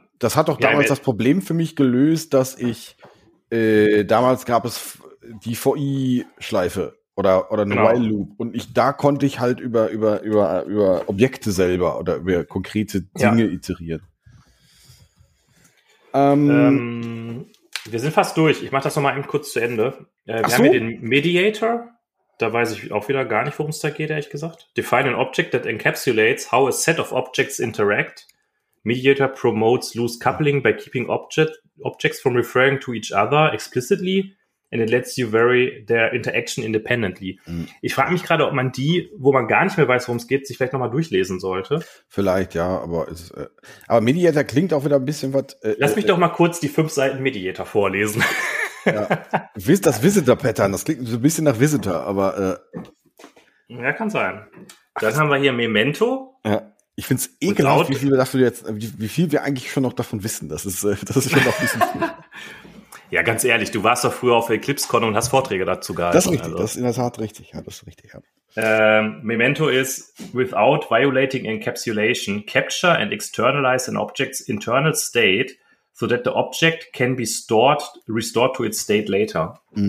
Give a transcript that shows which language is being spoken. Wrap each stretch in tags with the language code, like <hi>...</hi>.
<de>Das hat doch damals das Problem für mich gelöst, dass ich damals gab es die VI-Schleife oder eine While Loop und ich da konnte ich halt über Objekte selber oder über konkrete Dinge iterieren. Wir sind fast durch. Ich mache das nochmal eben kurz zu Ende. Wir haben hier den Mediator. Da weiß ich auch wieder gar nicht, worum es da geht, ehrlich gesagt.</de> <en>Define an object that encapsulates how a set of objects interact. Mediator promotes loose coupling by keeping objects from referring to each other explicitly and it lets you vary their interaction independently.</en> <de>Ich frage mich gerade, ob man die, wo man gar nicht mehr weiß, worum es geht, sich vielleicht nochmal durchlesen sollte. Vielleicht, ja, aber aber Mediator klingt auch wieder ein bisschen was. Lass mich doch mal kurz die 5 Seiten Mediator vorlesen. Ja. Das Visitor-Pattern, das klingt so ein bisschen nach Visitor, aber. Ja, kann sein. Dann haben wir hier Memento. Ja. Ich finde es ekelhaft, wie viel wir eigentlich schon noch davon wissen. Das ist schon noch ein bisschen viel. Ja, ganz ehrlich, du warst doch früher auf EclipseCon und hast Vorträge dazu gehalten. Das ist richtig, das ist in der Tat richtig. Ja, das ist richtig, ja.</de> <en>Memento ist, without violating encapsulation, capture and externalize an object's internal state so that the object can be restored to its state later.</en>